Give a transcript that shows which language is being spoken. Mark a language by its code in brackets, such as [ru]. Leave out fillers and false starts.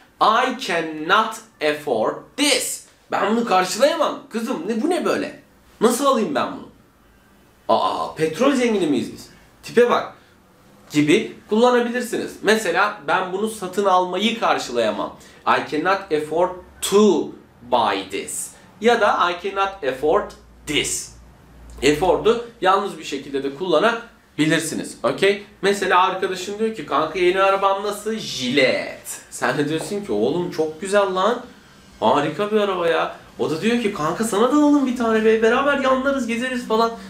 [en] I cannot afford this. [tr] Ben bunu karşılayamam. Kızım ne, bu ne böyle? Nasıl alayım ben bunu? Aa, petrol zengini miyiz biz? Tipe bak. Gibi kullanabilirsiniz. Mesela ben bunu satın almayı karşılayamam. [en] I cannot afford to buy this. [tr] Ya da [en] I cannot afford this. [tr] Effort'u yalnız bir şekilde de kullanabilirsiniz. [en] Okay? [tr] Mesela arkadaşın diyor ki kanka yeni arabam nasıl? Jilet. Sen de diyorsun ki oğlum çok güzel lan. Harika bir araba ya. O da diyor ki kanka sana da alalım bir tane be. Beraber yanlarız gezeriz falan.